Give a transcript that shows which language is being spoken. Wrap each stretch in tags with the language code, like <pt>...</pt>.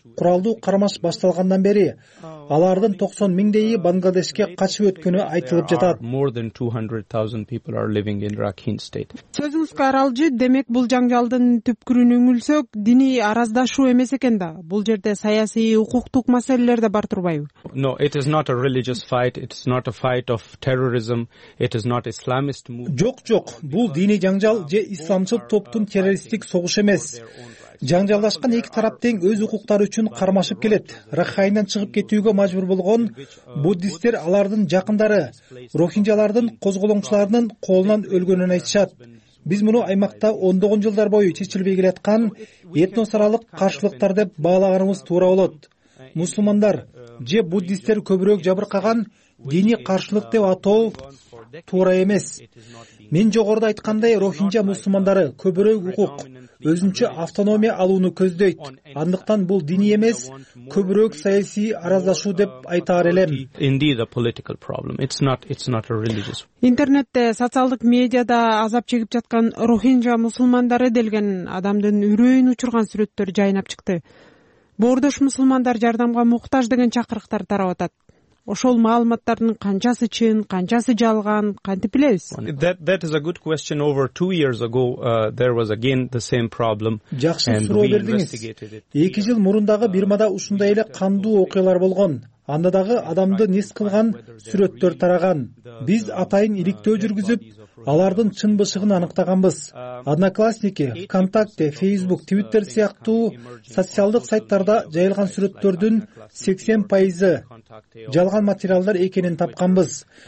<ky>Куралдуу кармаш башталгандан бери алардын 90 миңдейи Бангладешке качып өткөнү айтылып жатат. Сөзүңүзгө аралжы, демек бул жаңжалдын түпкүрүн үңүлсөк, диний араздашуу эмес экен да. Бул жерде саясий, укуктук маселелер да бар турбайбы?</ky> <en>No, it is not a religious fight, it is not a fight of terrorism, it is not Islamist movement.</en> <ky>Жок, жок, бул диний жаңжал же исламчыл топтун террористтик согуш эмес. Жаңжалдашкан эки тарап тең өз укуктары үчүн кармашып келет. Ракхайндан чыгып кетүүгө мажбур болгон буддисттер алардын жакындары рохинжалардын козголоңчуларынын колунан өлгөнүн айтышат. Биз муну аймакта ондогон жылдар бою чечилбей келаткан этносаралык каршылыктар деп баалаганыбыз туура болот. Мусулмандар же буддисттер көбүрөөк жабыркаган диний каршылык деп атоо туура эмес. Мен жогоруда айткандай, рохинжа мусулмандары көбүрөөк укук, өзүнчө автономия алууну көздөйт. Андыктан бул диний эмес, көбүрөөк саясий араздашуу деп айтаар элем.</ky> <en>Indeed, a political problem. It's not a religious.</en> <ky>Интернетте, социалдык медиада азап чегип жаткан рохинжа мусулмандары делген адамдын үрөйүн учурган сүрөттөр жайнап чыкты. Бордош мусулмандар жардамга муктаж деген чакырыктар тарап атат. Ошол маалыматтардын канчасы чын, канчасы жалган, кантип билебиз?</ky> <en>That is a good question. Over 2 years ago, there was again the same problem.</en> <ky>Жакшы суроо бердиңиз. 2 жыл мурундагы Бирмада ушундай эле кандуу окуялар болгон. Анда дагы адамды нес кылган сүрөттөр тараган. Биз атайын иликтөө жүргүзүп, алардын чынбы чыгын аныктаганбыз. Одноклассники, ВКонтакте, Facebook, Twitter сыяктуу социалдык сайттарда жайылган сүрөттөрдүн 80% жалган материалдар экенин тапканбыз.</ky>